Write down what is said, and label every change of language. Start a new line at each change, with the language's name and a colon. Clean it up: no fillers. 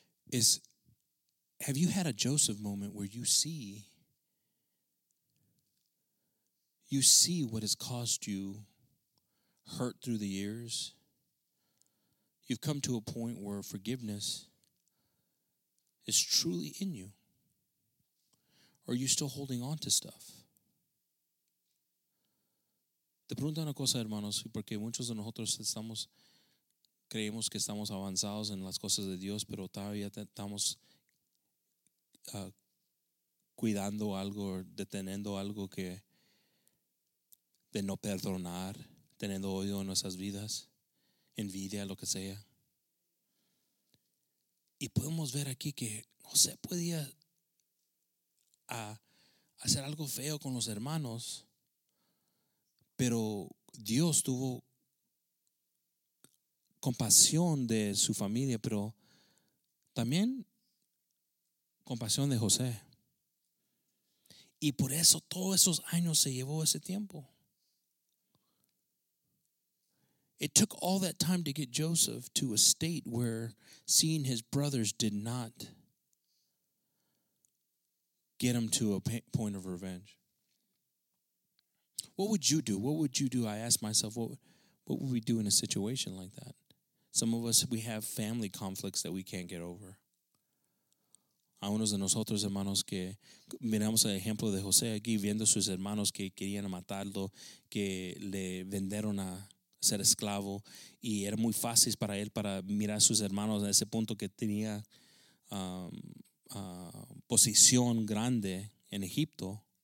English: Is, have you had a Joseph moment where you see what has caused you hurt through the years? You've come to a point where forgiveness is truly in you. Or are you still holding on to stuff?
Spanish: Te pregunto una cosa, hermanos, porque muchos de nosotros estamos, creemos que estamos avanzados en las cosas de Dios, pero todavía estamos cuidando algo, deteniendo algo que, de no perdonar, teniendo odio en nuestras vidas, envidia, lo que sea. Y podemos ver aquí que José podía hacer algo feo con los hermanos, pero Dios tuvo compasión de su familia, pero también compasión de José. Y por eso todos esos años se llevó ese tiempo.
English: It took all that time to get Joseph to a state where seeing his brothers did not get him to a point of revenge. What would you do? What would you do? I ask myself, what would we do in a situation like that? Some of us, we have family conflicts that we can't get over.
Spanish: A unos de nosotros, hermanos, que miramos el ejemplo de José aquí, viendo sus hermanos que querían matarlo, que le vendieron a ser esclavo, y era muy fácil para él para mirar a sus hermanos a ese punto que tenía posición grande en Egipto.